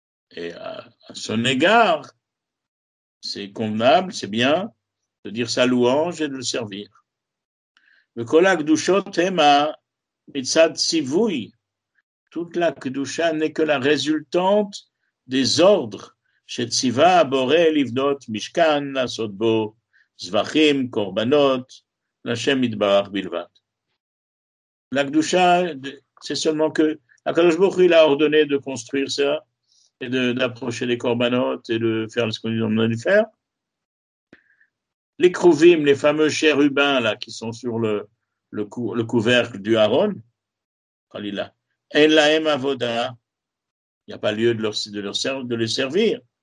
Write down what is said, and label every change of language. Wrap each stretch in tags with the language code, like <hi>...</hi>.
<fr>Et à son égard, c'est convenable, c'est bien de dire sa louange et de le servir.</fr> <he>Le kolak dushot ema mitzad sivui.</he> <fr>Toute la kedusha n'est que la résultante des ordres</fr> <he>שציווה הבורא לבנות משכן, לעשות בו זבחים, קורבנות, לשם מתברך בלבד.</he> <fr>La kedusha, c'est seulement que HaKadosh Baruch Hu il a ordonné de construire ça et d'approcher les korbanot et de faire ce qu'on a dû faire. Les kruvim, les fameux chérubins là qui sont sur le couvercle du Aaron,</fr> <he>Khalila, en lahem avoda,</he> <fr>il n'y a pas lieu de les servir.</fr>